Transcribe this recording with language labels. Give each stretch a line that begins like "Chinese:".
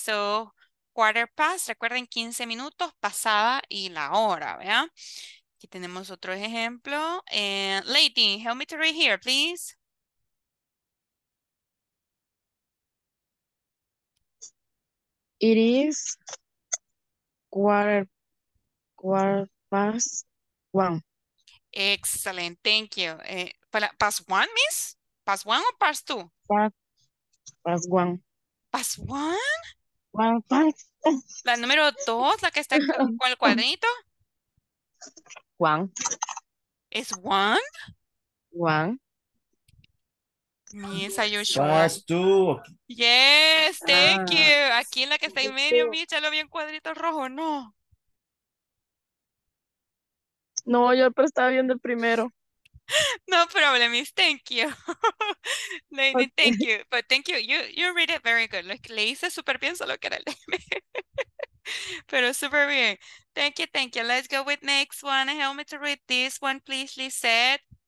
Spanish: So, 4:15, recuerden 15 minutos, pasada y la hora, ¿vea? Aquí tenemos otro ejemplo.
English: And lady, help me to read here, please. It is 1:15. Excellent, thank you. Past one, miss? Past one or past two? Past one. Past one? One.
Spanish: La número dos, la que está con el cuadrito.
English: One. Is one? One. Miss, are you sure? Past two. Yes, thank you.
Spanish: Aquí la que está en medio, miss, ya lo vi en cuadrito rojo, no. No, yo pero estaba viendo el primero.
English: No problem, miss. Thank you. Lady, okay. Thank you. But thank you. You read it very good.
Spanish: Le hice super bien, solo que era el M. Pero super bien.
English: Thank you, thank you. Let's go with next one. Help me to read this one, please, Lisette.